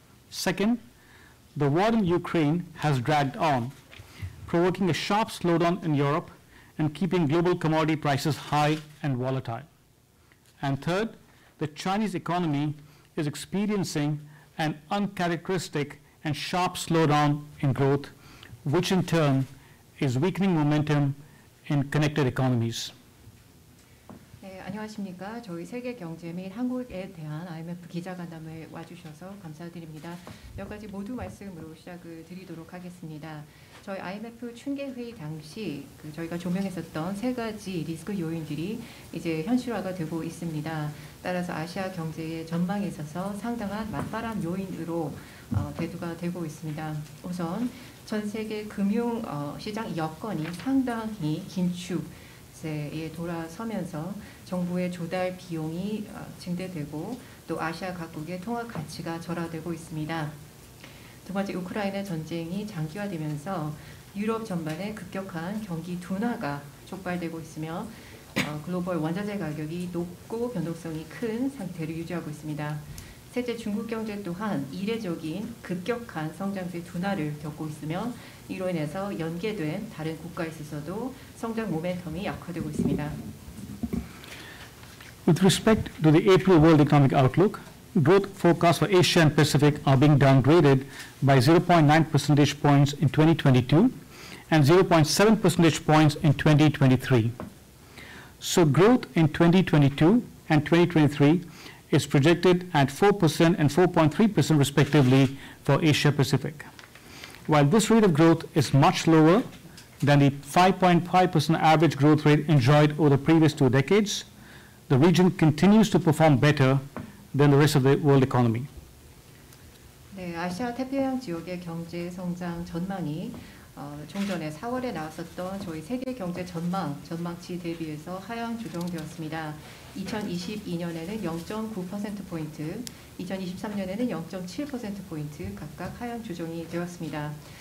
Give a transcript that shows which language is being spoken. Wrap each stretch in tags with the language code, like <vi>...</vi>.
<en>Second, the war in Ukraine has dragged on, provoking a sharp slowdown in Europe and keeping global commodity prices high and volatile. And third, the Chinese economy is experiencing an uncharacteristic and sharp slowdown in growth, which in turn is weakening momentum in connected economies.</en> <ko>네, 안녕하십니까. 저희 세계 경제 및 한국에 대한 IMF 기자간담회에 와주셔서 감사드립니다. 몇 가지 모두 말씀으로 시작을 드리도록 하겠습니다. 저희 IMF 춘계회의 당시 그 저희가 조명했었던 세 가지 리스크 요인들이 이제 현실화가 되고 있습니다. 따라서 아시아 경제의 전망에 있어서 상당한 맞바람 요인으로 대두가 되고 있습니다. 우선 전 세계 금융 시장 여건이 상당히 긴축세에 돌아서면서 정부의 조달 비용이 증대되고 또 아시아 각국의 통화 가치가 절하되고 있습니다. 두 번째, 우크라이나 전쟁이 장기화되면서 유럽 전반에 급격한 경기 둔화가 촉발되고 있으며 글로벌 원자재 가격이 높고 변동성이 큰 상태를 유지하고 있습니다. 셋째, 중국 경제 또한 이례적인 급격한 성장세 둔화를 겪고 있으며 이로 인해서 연계된 다른 국가에 있어서도 성장 모멘텀이 약화되고 있습니다.</ko> <en>With respect to the April World Economic Outlook, growth forecasts for Asia and Pacific are being downgraded by 0.9 percentage points in 2022 and 0.7 percentage points in 2023. So growth in 2022 and 2023 is projected at 4% and 4.3% respectively for Asia Pacific. While this rate of growth is much lower than the 5.5% average growth rate enjoyed over the previous two decades, the region continues to perform better than the rest of the world economy.</en> <ko>네, 아시아 태평양 지역의 경제 성장 전망이 종전에 4월에 나왔었던 저희 세계 경제 전망치 대비해서 하향 조정되었습니다. 2022년에는 0.9%포인트, 2023년에는 0.7%포인트 각각 하향 조정이 되었습니다.</ko>